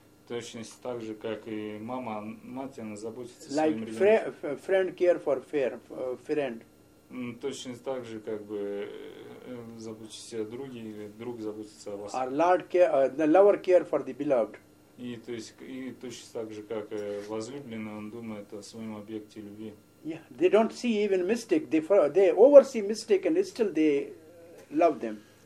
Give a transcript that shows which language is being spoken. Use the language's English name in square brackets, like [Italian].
[Russian] Точно так же, как и мама, мать, она заботится [English] like [Russian] своим ребенком. [English] Friend care for fair, friend. [Russian] Точно так же, как бы заботиться о друге, или друг заботится о вас. [English] Or Lord care, the lover care for the beloved. [Russian] И то есть и точно так же, как возлюбленный, он думает о своем объекте любви. [English] Yeah, they don't see even mistake. They oversee mistake and still they love them.